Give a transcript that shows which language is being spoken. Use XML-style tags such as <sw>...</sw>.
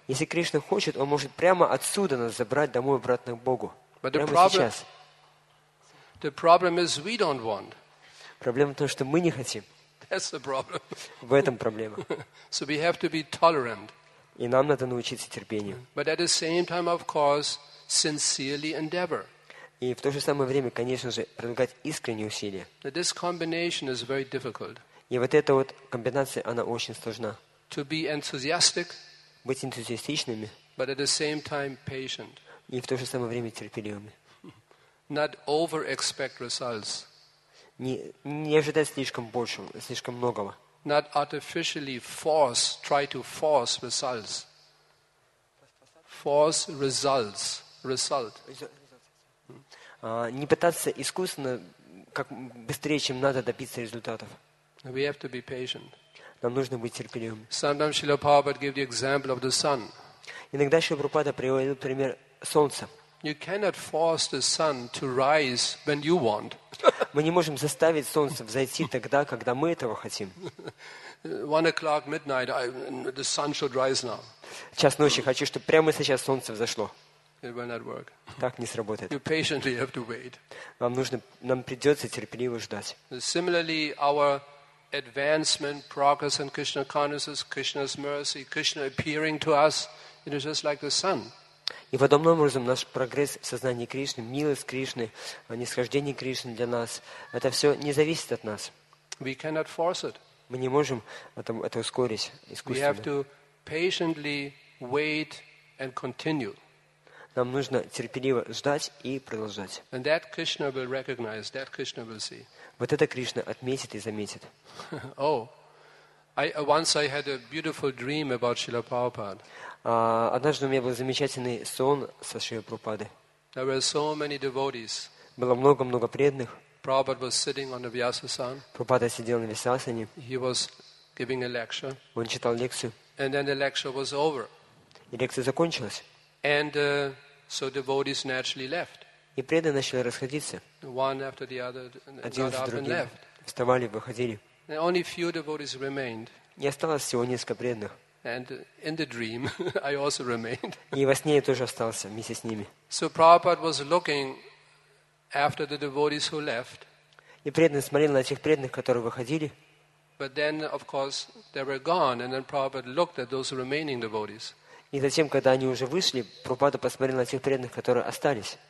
<ru>Если Кришна хочет, он может прямо отсюда нас забрать домой обратно к Богу.</ru> <en>But the problem is we don't want.</en> <ru>Проблема в том, что мы не хотим.</ru> <en>That's the problem.</en> <ru>В этом проблема.</ru> <en>So we have to be tolerant.</en> <ru>И нам надо научиться терпению.</ru> <en>But at the same time, of course, sincerely endeavor.</en> <ru>И в то же самое время, конечно же, прилагать искренние усилия.</ru> <en>Now this combination is very difficult.</en> <ru>И вот эта вот комбинация, она очень сложна.</ru> <en>To be enthusiastic.</en> <ru>Быть энтузиастичными.</ru> <en>But at the same time, patient.</en> <ru>И в то же самое время терпеливыми.</ru> <en>Not over expect results.</en> <ru>Не ожидать слишком большего, слишком многого.</ru> <en>Not artificially force, try to force results. Force results, result.</en> <ru>Не пытаться искусственно, как быстрее, чем надо, добиться результатов.</ru> <en>We have to be patient.</en> <ru>Нам нужно быть терпеливым.</ru> <en>Sometimes Srila Prabhupada gave the example of the sun.</en> <ru>Иногда Шрила Прабхупада приводил пример солнца.</ru> <en>You cannot force the sun to rise when you want.</en> <ru>Мы не можем заставить солнце взойти тогда, когда мы этого хотим.</ru> <en>1 o'clock midnight, the sun should rise now.</en> <ru>Час ночи, хочу, чтобы прямо сейчас солнце взошло.</ru> <en>It will not work.</en> <ru>Так не сработает.</ru> <en>You patiently have to wait.</en> <ru>Нам придется терпеливо ждать.</ru> <en>Similarly, our advancement, progress in Krishna consciousness, Krishna's mercy, Krishna appearing to us, it is just like the sun.</en> <ru>И подобным образом наш прогресс в сознании Кришны, милость Кришны, нисхождение Кришны для нас, это все не зависит от нас.</ru> <en>We cannot force it.</en> <ru>Мы не можем это ускорить искусственно.</ru> <en>We have to patiently wait and continue.</en> <ru>Нам нужно терпеливо ждать и продолжать.</ru> <en>And that Krishna will recognize, that Krishna will see.</en> <ru>Вот это Кришна отметит и заметит.</ru> <en>Oh, once I had a beautiful dream about Srila Prabhupada.</en> <ru>Однажды у меня был замечательный сон со Шрилой Прабхупадой.</ru> <en>There were so many devotees.</en> <ru>Было много преданных.</ru> <en>Prabhupada was sitting on the Vyasasan.</en> <ru>Прабхупада сидел на Вьясасане.</ru> <en>He was giving a lecture.</en> <ru>Он читал лекцию.</ru> <en>And then the lecture was over.</en> <ru>И лекция закончилась.</ru> <en>And so devotees naturally left.</en> <ru>И преданные начали расходиться.</ru> <en>One after the other,</en> <ru>один за другим. Вставали, выходили.</ru> <en>And only few devotees remained.</en> <ru>И осталось всего несколько преданных.</ru> <en>And in the dream, I also remained.</en> <ru>И во сне я тоже остался вместе с ними.</ru> <en>So Prabhupada was looking after the devotees who left.</en> <ru>И преданный смотрел на этих преданных, которые выходили.</ru> <en>But then, of course, they were gone, and then Prabhupada looked at those remaining devotees.</en> <ru>И затем, когда они уже вышли, Прабхупада посмотрел на тех преданных, которые остались.</ru>